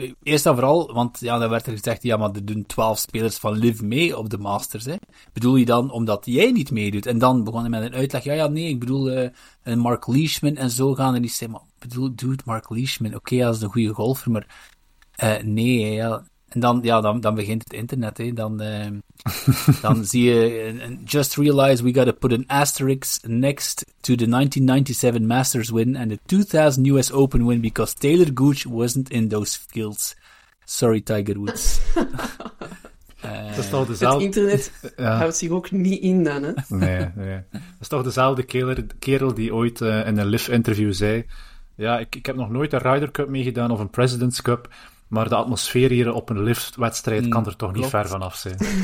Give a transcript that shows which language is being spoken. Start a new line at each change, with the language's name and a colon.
Dutch: Eerst en vooral, want ja, dan werd er gezegd, ja, maar er doen 12 spelers van Liv mee op de Masters. Hè. Bedoel je dan omdat jij niet meedoet? En dan begon hij met een uitleg, ik bedoel Mark Leishman en zo gaan er niet zijn. Maar bedoel, dude, Mark Leishman, oké, dat is een goede golfer, maar nee. Hè, ja. En dan, ja, dan begint het internet. Hè. Dan zie je,
English: just realize we gotta put an asterisk next to the 1997 Masters win and the 2000 US Open win because Taylor Gooch wasn't in those fields. Sorry, Tiger Woods.
Dutch: Dat is toch dezelfde... Het internet houdt zich ook niet in dan, hè. Nee. Dat is toch dezelfde kerel die ooit in een LIV-interview zei, ja, ik heb nog nooit een Ryder Cup meegedaan of een President's Cup... Maar de atmosfeer hier op een liftwedstrijd kan er toch niet ver vanaf zijn.